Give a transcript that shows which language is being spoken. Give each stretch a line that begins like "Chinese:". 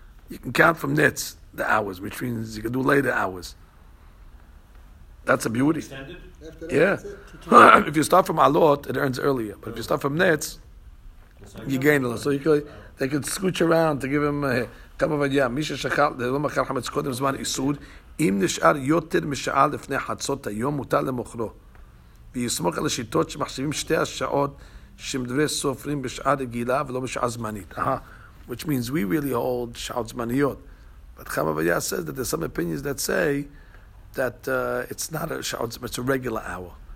English: You can count from nets the hours, which means you can do later hours. That's a beauty. Yeah. If you start from alot, it earns earlier. But if you start from nets, you gain a lot. So they could scooch around to give him a kama v'diya.
Hebrew: Misha shachal de'lo machal hametz kodem zman isud. אם נשאר יותר משעה לפני חצות היום מותר למוכרו ויסמוך על השיטות שמחשבים שתי השעות שמדברי סופרים בשעה רגילה ולא בשעה זמנית.
English: Which means we really hold שעות זמניות. But Chama Vaya says that there's some opinions that say that it's not a שעות, it's a regular hour.